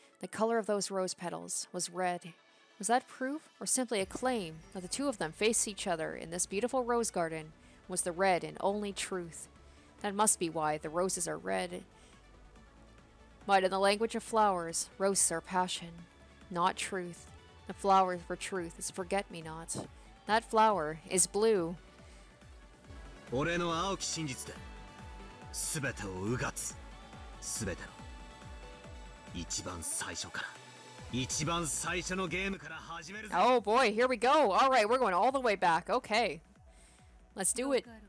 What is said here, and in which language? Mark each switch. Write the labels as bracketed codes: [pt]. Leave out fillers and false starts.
[en] The color of those rose petals was red. Was that proof or simply a claim that the two of them faced each other in this beautiful rose garden was the red and only truth? That must be why the roses are red. But in the language of flowers, roses are passion, not truth. The flower for truth is forget-me-not. That flower is blue. [ja] 俺の青き真実で、すべてをうがつ。すべての、一番最初から、一番最初のゲームから始めるぞ。 [en] Oh boy, here we go. All right, we're going all the way back. Okay. Let's do it.